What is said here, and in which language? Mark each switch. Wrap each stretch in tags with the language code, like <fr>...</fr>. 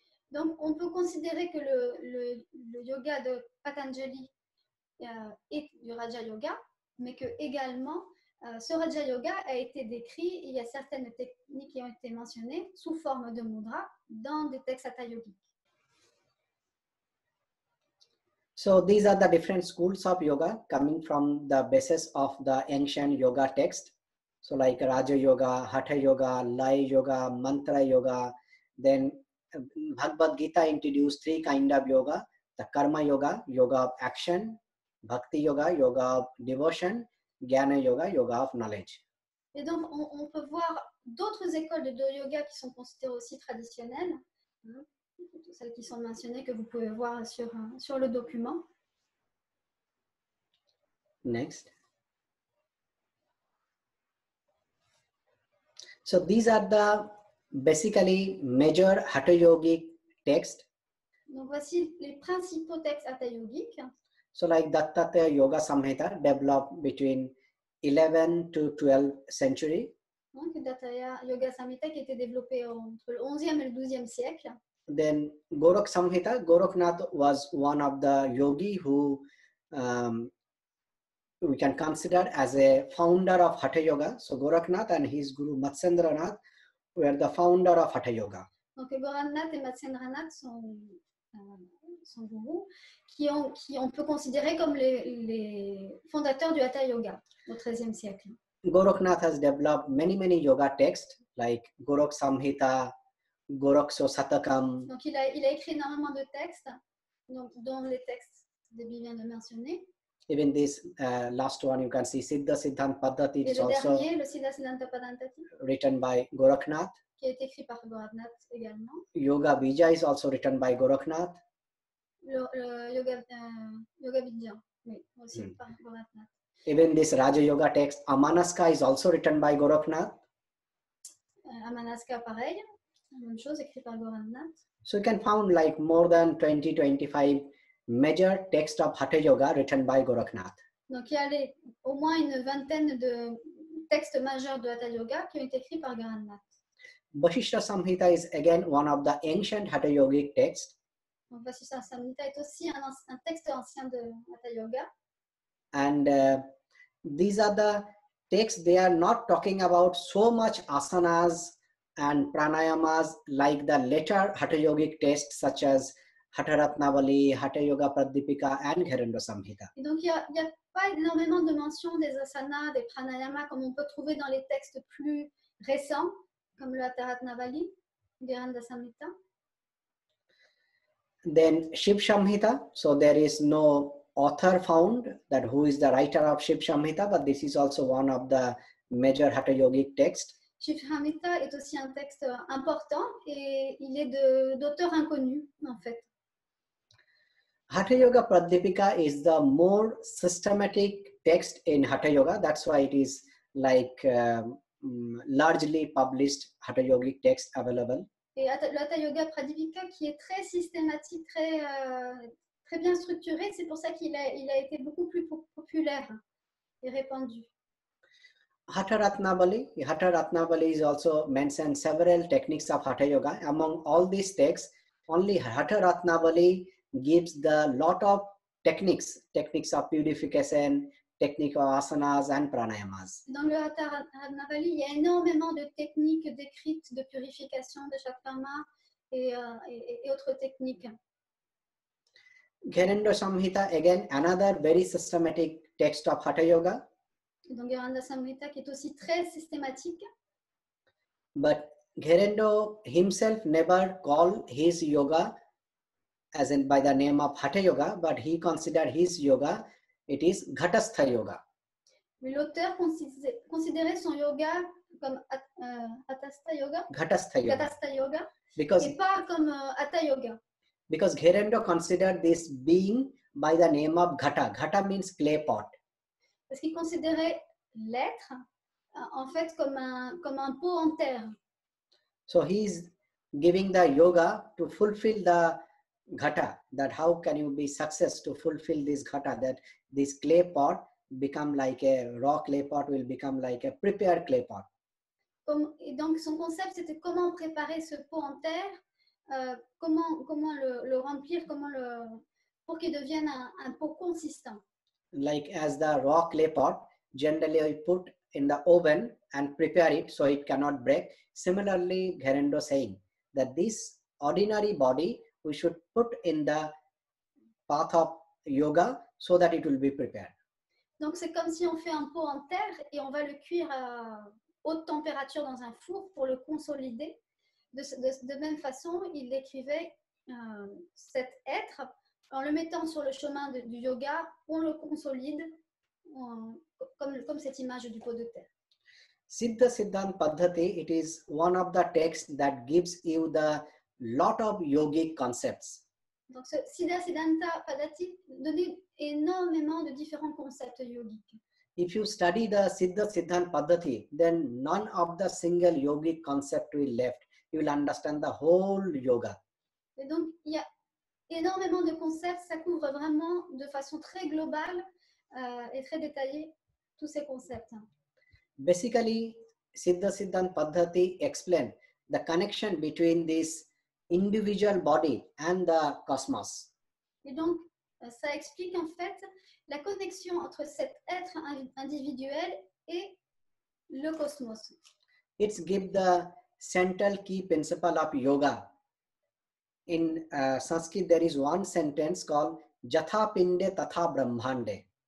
<fr>Donc on peut considérer que le yoga de Patanjali est du Raja Yoga, mais que également ce Raja Yoga a été décrit, il y a certaines techniques qui ont été mentionnées sous forme de mudra dans des textes Hatha Yogiques.</fr> <en>So these are the different schools of yoga coming from the basis of the ancient yoga text. So like Raja Yoga, Hatha Yoga, Laya Yoga, Mantra Yoga, then Bhagavad Gita introduced three kind of yoga, the Karma Yoga, Yoga of Action, Bhakti Yoga, Yoga of Devotion, Jnana Yoga, Yoga of Knowledge.</en> <fr>Et donc on peut voir d'autres écoles de yoga qui sont considérées aussi traditionnelles. Celles qui sont mentionnées que vous pouvez voir sur le document.</fr> <en>Next. So these are the basically major Hatha Yogic texts.</en> <fr>Donc voici les principaux textes Hatha Yogiques.</fr> <en>So like Dattatreya Yoga Samhita developed between 11th to 12th century.</en> <fr>Donc Dattatreya Yoga Samhita qui était développé entre le 11e et le 12e siècle.</fr> <en>Then Gorakh Samhita, Gorakhnath was one of the yogi who we can consider as a founder of Hatha Yoga. So Gorakhnath and his guru Matsyendranath were the founder of Hatha Yoga.</en> <fr>Donc Gorakhnath et Matsyendranath sont gurus qui on peut considérer comme les fondateurs du Hatha Yoga au 13e siècle.</fr> <en>Gorakhnath has developed many, many yoga texts like Gorakh Samhita, Gorakhso Satakam.</en> <fr>Donc il a écrit énormément de textes, donc dont les textes que Bibi vient de mentionner.</fr> <en>Even this last one you can see Siddha Siddhanta Paddhati.</en> <fr>Et le dernier, le Siddha Siddhanta Paddhati.</fr> <en>Written by Gorakhnath.</en> <fr>Qui est écrit par Gorakhnath également.</fr> <en>Yoga Vidya is also written by Gorakhnath.</en> <fr>Yoga Vidya, oui, aussi par Gorakhnath.</fr> <en>Even this Raja Yoga text Amanaska is also written by Gorakhnath.</en> <fr>Amanaska pareil. Même chose, écrit par Gorakhnath.</fr> <en>So you can find like more than 20-25 major texts of Hatha Yoga written by Gorakhnath.</en> <fr>Donc il y a au moins une vingtaine de textes majeurs de Hatha Yoga qui ont été écrits par Gorakhnath.</fr> <en>Vasishtha Samhita is again one of the ancient Hatha Yogic texts.</en> <fr>Donc Vasishtha Samhita est aussi un texte ancien de Hatha Yoga.</fr> <en>And these are the texts, they are not talking about so much asanas and pranayamas like the later Hatha Yogic texts such as Hatha Ratnavali, Hatha Yoga Pradipika and Gharanda Samhita.</en> <fr>Et donc il y a pas énormément de mentions des asanas, des pranayamas comme on peut trouver dans les textes plus récents comme le Hatha Ratnavali, Gharanda Samhita.</fr> <en>Then Shiv Samhita, so there is no author found that who is the writer of Shiv Samhita, but this is also one of the major Hatha Yogic texts.</en> <fr>Shiv Samhita est aussi un texte important et il est d'auteur inconnu en fait.</fr> <en>Hatha Yoga Pradipika is the more systematic text in Hatha Yoga. That's why it is like largely published Hatha Yogic text available.</en> <fr>Et le Hatha Yoga Pradipika qui est très systématique, très très bien structuré, c'est pour ça qu'il a été beaucoup plus populaire et répandu.</fr> <en>Hatha Ratnavali is also mentioned several techniques of Hatha Yoga. Among all these texts, only Hatha Ratnavali gives the lot of techniques of purification, technique of asanas and pranayamas.</en> <fr>Dans le Hatha Ratnavali, il y a énormément de techniques décrites de purification de chakrama et autres techniques.</fr> <en>Gyanendra Samhita, again, another very systematic text of Hatha Yoga.</en> <fr>Donc Gyananda Samhita qui est aussi très systématique.</fr> <en>But Gyanendra himself never called his yoga as in by the name of Hatha Yoga, but he considered his yoga, it is Ghatastha Yoga.</en> <fr>Mais l'auteur considérait son yoga comme Ghatastha Yoga.</fr> <en>Ghatastha Yoga.</en> <fr>Ghatastha Yoga.</fr> <en>Because,</en> <fr>et pas comme Hatha Yoga.</fr> <en>Because Gyanendra considered this being by the name of Ghata. Ghata means clay pot.</en> <fr>Parce qu'il considérait l'être en fait comme un pot en terre.</fr> <en>So he is giving the yoga to fulfill the ghata, that how can you be success to fulfill this ghata, that this clay pot become like a raw clay pot will become like a prepared clay pot.</en> <fr>Et donc son concept c'était comment préparer ce pot en terre, comment le remplir, comment le pour qu'il devienne un pot consistant.</fr> <en>Like as the raw clay pot, generally we put in the oven and prepare it so it cannot break. Similarly, Gyanendra saying that this ordinary body we should put in the path of yoga so that it will be prepared.</en> <fr>Donc c'est comme si on fait un pot en terre et on va le cuire à haute température dans un four pour le consolider. De même façon, il décrivait cet être. En le mettant sur le chemin du yoga, on le consolide comme cette image du pot de terre.</fr> <en>Siddha Siddhan Paddhati, it is one of the texts that gives you the lot of yogic concepts.</en> <fr>Donc, Siddha Siddhanta Paddhati donne énormément de différents concepts yogiques.</fr> <en>If you study the Siddha Siddhan Paddhati, then none of the single yogic concept will left. You will understand the whole yoga.</en> <fr>Et donc, il y a énormément de concepts, ça couvre vraiment de façon très globale et très détaillée tous ces concepts.</fr> <en>Basically, Siddha Siddhan Paddhati explains the connection between this individual body and the cosmos.</en> <fr>Et donc, ça explique en fait la connexion entre cet être individuel et le cosmos.</fr> <en>It gives the central key principle of yoga. In Sanskrit, there is one sentence called</en> <sa>"Jatha pinde tatha brahmande."</sa>